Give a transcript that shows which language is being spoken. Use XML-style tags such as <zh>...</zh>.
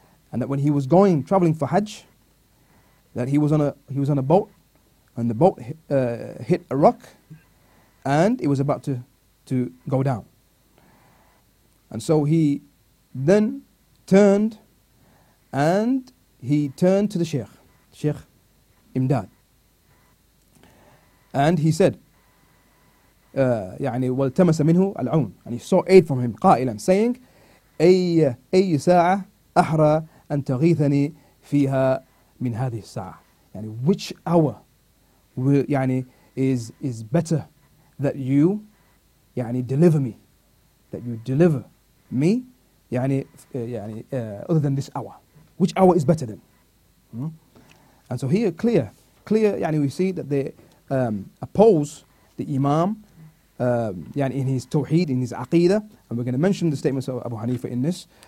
<en>and that when he was going traveling for Hajj, that he was on a boat, and the boat hit a rock, and it was about to go down. And so he then turned, and he turned to the Sheikh, Sheikh Imdad. And he said, يعني</en> <ar>والتمس منه العون,</ar> <en>and he saw aid from him, قائلا, saying,</en> <ar>أي ساعة أحرى أن تغيثني فيها من هذه الساعة.</ar> <en>يعني which hour will, يعني is better that you يعني deliver me, that you deliver me, يعني other than this hour. Which hour is better then? And so here clear, يعني we see that they oppose the Imam يعني in his tawheed, in his aqeedah, and we're going to mention the statements of Abu Hanifa in this.</en>